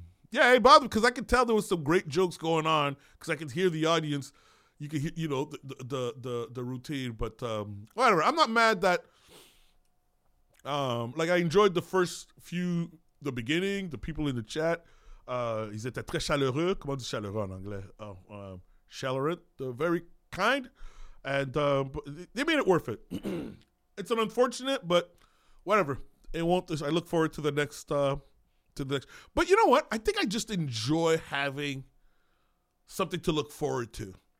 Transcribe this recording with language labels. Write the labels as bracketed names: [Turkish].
[English] Yeah, it bothered me because I could tell there was some great jokes going on because I could hear the audience. You could hear, you know, the routine. But whatever. I'm not mad that, I enjoyed the first few, the beginning, the people in the chat. [French] Ils étaient très chaleureux. Comment on dit chaleureux en anglais? [English] Chaleureux. They're very kind. And they made it worth it. It's an unfortunate, but whatever. It won't. I look forward to the next but you know what? I think I just enjoy having something to look forward to.